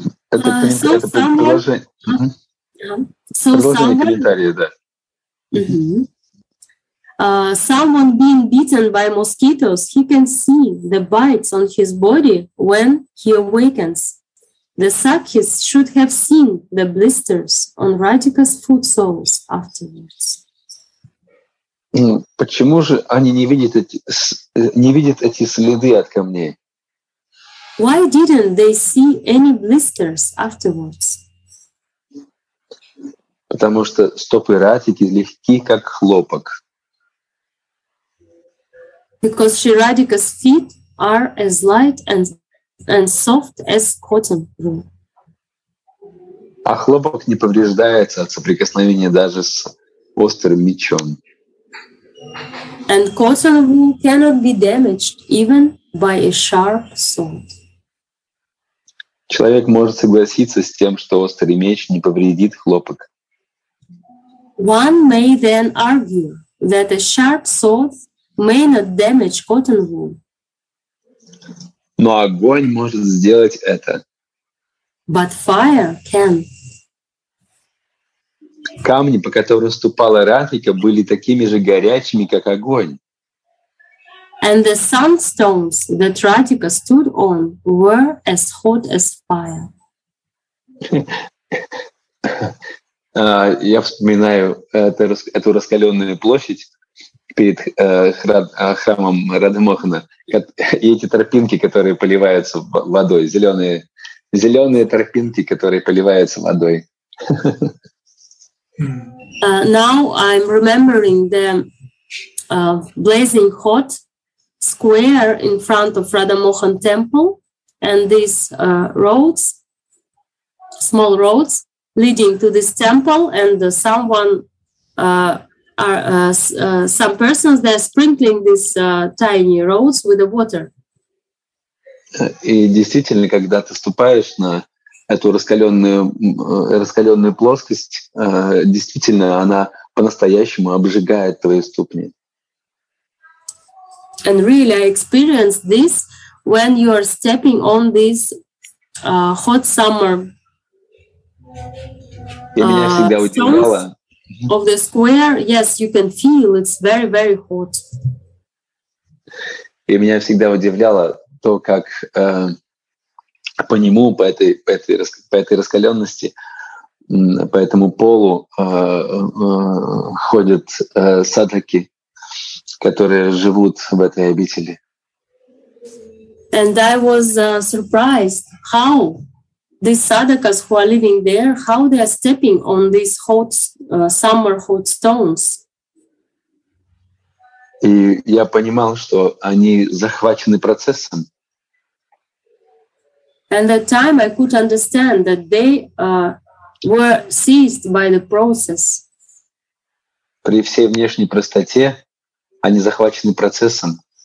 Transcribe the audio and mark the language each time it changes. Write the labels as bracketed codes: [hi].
[ru] Это предположение комментария, да. [en] Someone being bitten by mosquitoes, he can see the bites on his body when he awakens. The sakhis should have seen the blisters on Radhika's foot soles afterwards. [ru] Почему же они не видят эти следы от камней? [en] Why didn't they see any blisters afterwards? [ru] Потому что стопы Радхики легки, как хлопок. [en] Because Sri Radhika's feet are as light and soft as cotton wool. [ru] А хлопок не повреждается от соприкосновения даже с острым мечом. [en] And cotton wool cannot be damaged even by a sharp sword. [ru] Человек может согласиться с тем, что острый меч не повредит хлопок. [en] One may then argue that a sharp sword may not damage cotton wool. [ru] Но огонь может сделать это. [en] But fire can. [ru] Камни, по которым ступала Радхика, были такими же горячими, как огонь. [en] And the sandstones that Radhika stood on were as hot as fire. [ru] Я вспоминаю эту раскаленную площадь перед храмом Радхамохана, и эти тропинки, которые поливаются водой, зеленые тропинки, которые поливаются водой. [en] Now I'm remembering the blazing hot square in front of Radhamohan temple and these roads, small roads leading to this temple, and some persons, they're sprinkling these tiny roads with the water. [ru] И действительно, когда ты ступаешь на эту раскаленную плоскость, действительно, она по-настоящему обжигает твои ступни. [en] And really, I experienced this when you are stepping on this hot summer stones of the square. Yes, you can feel it's very, very hot. [ru] И меня всегда удивляло то, как по нему, по этой раскаленности, по этому полу ходят садхаки, которые живут в этой обители. [en] And I was surprised how these sadhakas who are living there, how they are stepping on these hot summer hot stones. [ru] И я понимал, что они захвачены процессом. [en] And at the time I could understand that they were seized by the process. [ru] При всей внешней простоте они захвачены процессом.